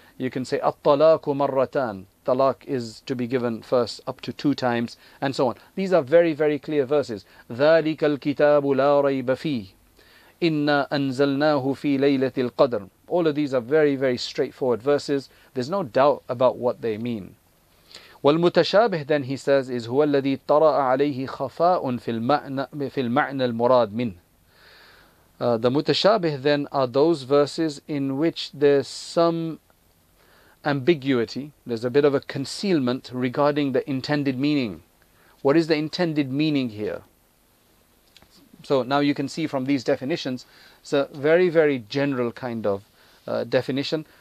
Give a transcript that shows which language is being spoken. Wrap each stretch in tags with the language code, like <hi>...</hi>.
<en>You can say</en> <ar>الطَّلَاقُ مَرَّتَانِ.</ar> <en>Talaq is to be given first up to two times, and so on. These are very, very clear verses.</en> <ar>ذَلِكَ الْكِتَابُ لَا رَيْبَ فِيهِ إِنَّا أَنزَلْنَاهُ فِي لَيْلَةِ الْقَدْرِ.</ar> <en>All of these are very, very straightforward verses. There's no doubt about what they mean.</en> <ar>والمتشابه,</ar> <en>then he says, is</en> <ar>هو الذي طرأ عليه خفاء في المعنى المراد منه.</ar> <en>The mutashabih then are those verses in which there's some ambiguity, there's a bit of a concealment regarding the intended meaning. What is the intended meaning here? So now you can see from these definitions, it's a very, very general kind of definition.</en>